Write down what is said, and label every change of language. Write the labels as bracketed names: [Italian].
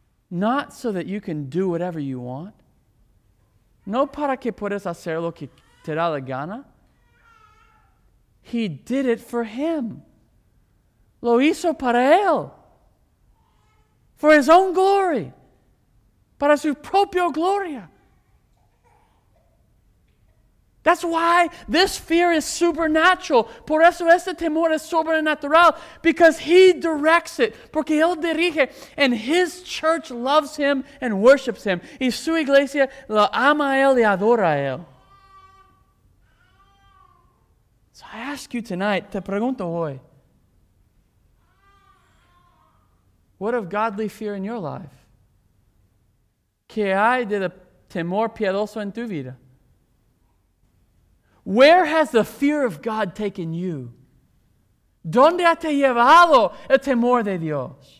[English] Not so that you can do whatever you want. [Spanish] No para que puedas hacer lo que te da la gana. [English] He did it for Him. [Spanish] Lo hizo para Él. [English] For His own glory. [Spanish] Para su propia gloria. [English] That's why this fear is supernatural. [Spanish] Por eso este temor es sobrenatural. [English] Because He directs it. [Spanish] Porque Él dirige. [English] And His church loves Him and worships Him. [Spanish] Y su iglesia lo ama a Él y adora a Él. [English] So I ask you tonight, [Spanish] te pregunto hoy, [English] what of godly fear in your life? [Spanish] ¿Qué hay de temor piadoso en tu vida? [English] Where has the fear of God taken you? [Spanish] ¿Dónde ha te llevado el temor de Dios?